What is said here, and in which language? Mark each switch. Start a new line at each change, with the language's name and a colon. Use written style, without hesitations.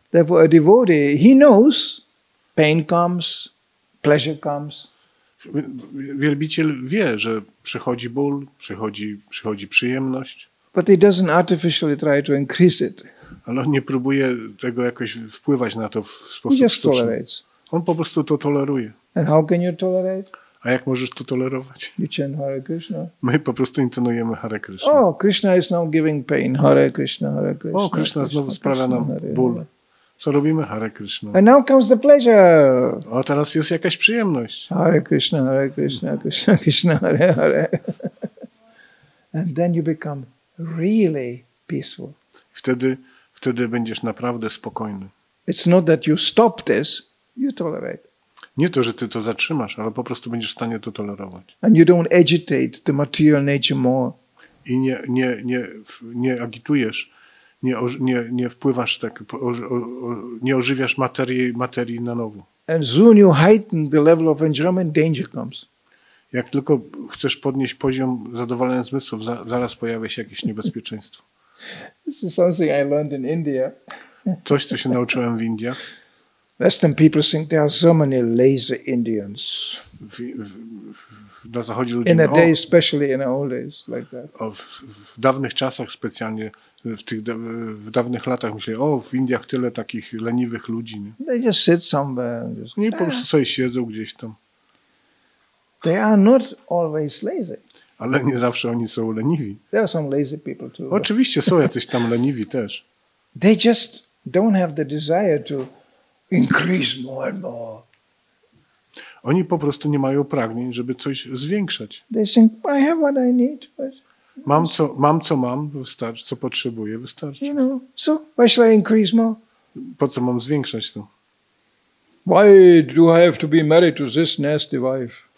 English: Therefore a devotee, he knows pain comes, pleasure comes.
Polish: Wielbiciel wie, że przychodzi ból, przychodzi przyjemność.
English: But he doesn't artificially try to increase it.
Polish: Ale on nie próbuje tego jakoś wpływać na to w sposób sztuczny.
English: He just tolerates.
Polish: On po prostu to toleruje.
English: And how can you tolerate?
Polish: A jak możesz to tolerować?
English: You chant Hare Krishna.
Polish: My po prostu intonujemy Hare Krishna.
English: Oh, Krishna is now giving pain.
Sanskrit: Hare Krishna, Hare Krishna.
Polish: O, Krishna znowu sprawia nam ból. Co robimy? Hare Krishna.
English: And now comes the pleasure.
Polish: O, teraz jest jakaś przyjemność.
Sanskrit: Hare Krishna, Hare Krishna, Krishna Krishna, Hare Hare.
English: And then you become really peaceful.
Polish: Wtedy będziesz naprawdę spokojny.
English: It's not that you stop this, you tolerate.
Polish: Nie to, że ty to zatrzymasz, ale po prostu będziesz w stanie to tolerować.
English: And you don't agitate the material nature more.
Polish: I nie agitujesz, nie wpływasz tak, nie ożywiasz materii na nowo.
English: And soon you heighten the level of enjoyment, danger comes.
Polish: Jak tylko chcesz podnieść poziom zadowolenia zmysłów, zaraz pojawia się jakieś niebezpieczeństwo.
English: This is something I learned in India.
Polish: Coś, co się nauczyłem w Indiach.
English: Western people think there are so many lazy Indians.
Polish: Na zachodzie ludzie,
English: in a day, especially in old days, like that.
Polish: W dawnych czasach specjalnie, w dawnych latach myśleli, w Indiach tyle takich leniwych ludzi. Nie?
English: They just sit somewhere.
Polish: Nie, po prostu sobie siedzą gdzieś tam.
English: They are not always lazy.
Polish: Ale nie zawsze oni są leniwi.
English: There are some lazy people too.
Polish: Oczywiście są jacyś tam leniwi też.
English: They just don't have the desire to increase more and more.
Polish: Oni po prostu nie mają pragnień, żeby coś zwiększać.
English: They think, I have what I need.
Polish: Mam co mam, wystarczy, co potrzebuję, wystarczy.
English: You know, so why should I increase more?
Polish: Po co mam zwiększać to?
English: Why do I have to be married to this nasty wife?